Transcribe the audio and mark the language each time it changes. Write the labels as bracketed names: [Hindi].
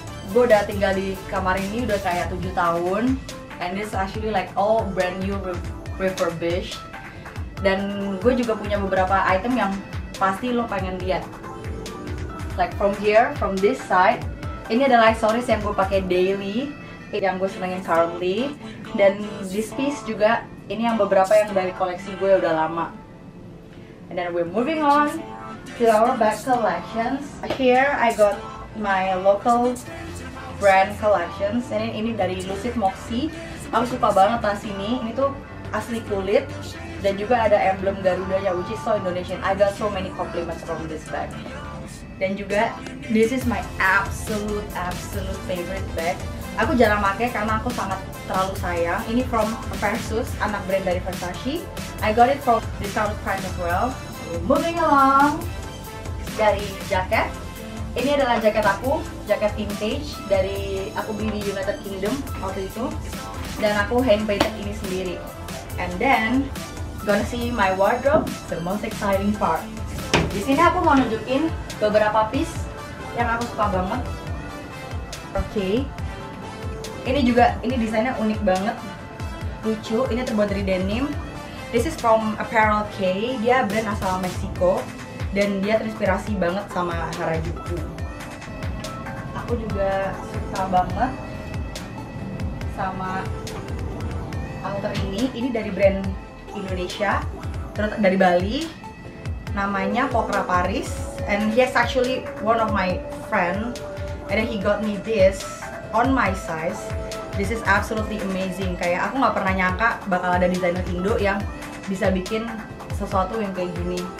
[Indonesian] Gue udah tinggal di kamar ini udah kayak 7 tahun. [English] And this actually like all brand new refurbished. [Indonesian] Dan gue juga punya beberapa item yang pasti lo pengen lihat. [English] Like from here, from this side. [Indonesian] Ini adalah accessories yang gue pakai daily, yang gue senengin currently. Dan [English] this piece [Indonesian] juga, ini yang beberapa yang dari koleksi gue udah lama. [English] And then we're moving on to our bag collections. Here I got my local brand collections. [Indonesian] And ini dari Lucid Moxie. Aku suka banget tas ini. Ini tuh asli kulit dan juga ada emblem Garudanya, [English] which is so Indonesian. I got so many compliments from this bag. [Indonesian] Dan juga [English] this is my absolute favorite bag. [Indonesian] Aku jarang pakai karena aku sangat terlalu sayang. Ini from Versus, anak brand dari Versace. [English] I got it from discount price as well. Moving along [Indonesian] dari jaket. Ini adalah jaket aku, jaket vintage dari aku beli di United Kingdom waktu itu. Dan aku hand-painted ini sendiri. [English] And then gonna see my wardrobe, the most exciting part. [Indonesian] Di sini aku mau nunjukin beberapa piece yang aku suka banget. Okay. Ini juga, ini desainnya unik banget. Lucu, ini terbuat dari denim. [English] This is from Apparel K. [Indonesian] Dia brand asal Meksiko. Dan dia terinspirasi banget sama Harajuku. Aku juga suka banget sama outer ini. Ini dari brand Indonesia, terus dari Bali. Namanya Pokra Paris. [English] And he is actually one of my friend. And then he got me this on my size. This is absolutely amazing. [Indonesian] Kayak aku gak pernah nyangka bakal ada desainer Indo yang bisa bikin sesuatu yang kayak gini.